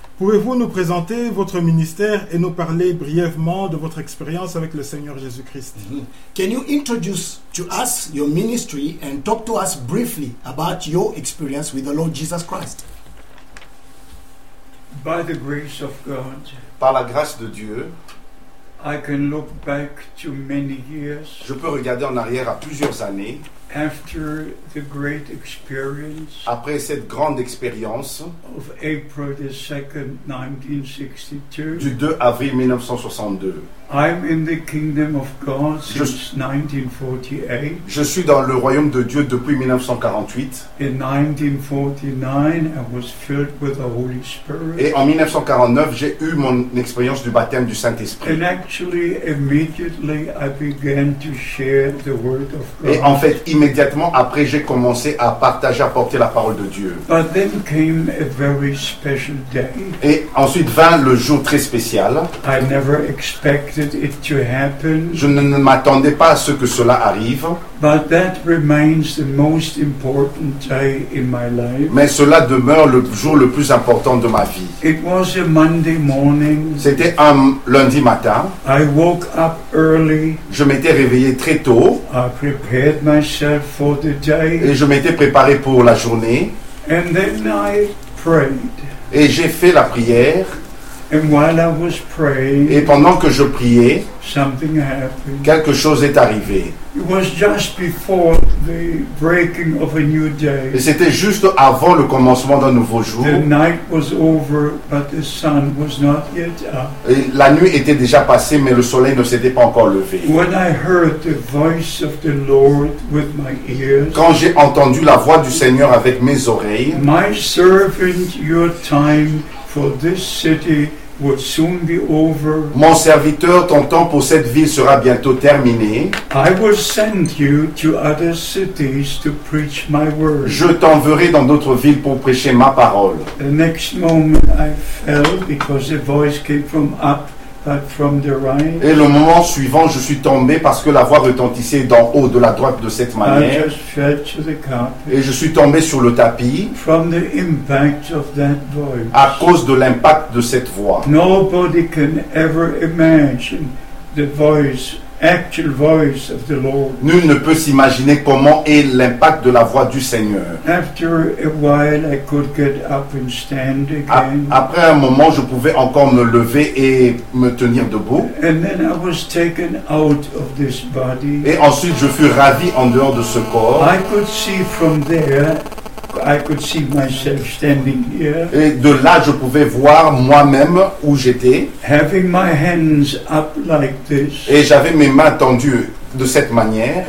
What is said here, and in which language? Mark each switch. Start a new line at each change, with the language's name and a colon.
French: pouvez-vous nous présenter votre ministère et nous parler brièvement de votre expérience avec le Seigneur Jésus-Christ?
English: Can you introduce to us your ministry and talk to us briefly about your experience with the Lord Jesus Christ? By the grace of God,
French: par la grâce de Dieu,
English: I can look back to many years.
French: Je peux regarder en arrière à plusieurs années.
English: After the great experience,
French: après cette grande expérience,
English: of April the 2nd, 1962,
French: du 2 avril 1962,
English: I'm in the kingdom of God since 1948.
French: Je suis dans le royaume de Dieu depuis 1948.
English: In 1949, I was filled with the Holy Spirit.
French: Et en 1949, j'ai eu mon expérience du baptême du Saint-Esprit.
English: And actually, immediately, I began to share the word of God.
French: Et en fait, immédiatement après, j'ai commencé à partager, à porter la parole de Dieu.
English: But then came a very special day.
French: Et ensuite vint le jour très spécial.
English: I never expected. It to happen.
French: Je ne m'attendais pas à ce que cela arrive.
English: But that remains the most important day in my life.
French: Mais cela demeure le jour le plus important de ma vie.
English: It was a Monday morning.
French: C'était un lundi matin.
English: I woke up early.
French: Je m'étais réveillé très tôt.
English: I prepared myself for the day.
French: Et je m'étais préparé pour la journée.
English: And then I prayed.
French: Et j'ai fait la prière.
English: And while I was praying,
French: et pendant que je priais,
English: something happened.
French: Quelque chose est arrivé.
English: It was just before the breaking of a new day.
French: Et c'était juste avant le commencement d'un nouveau jour.
English: The night was over, but the sun was not yet up.
French: Et la nuit était déjà passée, mais le soleil ne s'était pas encore levé.
English: When I heard the voice of the Lord with my ears,
French: quand j'ai entendu la voix du Seigneur avec mes oreilles,
English: my servant, your time for this city would soon be over.
French: Mon serviteur, ton temps pour cette ville sera bientôt terminé.
English: I will send you to other cities to preach my word.
French: Je t'enverrai dans d'autres villes pour prêcher ma parole.
English: The next moment I fell because a voice came from up. From the right.
French: Et le moment suivant, je suis tombé parce que la voix retentissait d'en haut, de la droite, de cette manière.
English: I just fell to the carpet.
French: Et je suis tombé sur le tapis.
English: From the impact of that voice.
French: À cause de l'impact de cette voix.
English: Nobody can ever imagine the voice actual voice of the Lord.
French: Nul ne peut s'imaginer comment est l'impact de la voix du Seigneur.
English: After a while, I could get up and stand again.
French: Après un moment, je pouvais encore me lever et me tenir debout.
English: And then I was taken out of this body.
French: Et ensuite, je fus ravi en dehors de ce corps.
English: I could see from there. I could see myself standing here.
French: Et de là, je pouvais voir moi-même où j'étais.
English: Having my hands up like this.
French: Et j'avais mes mains tendues de cette manière.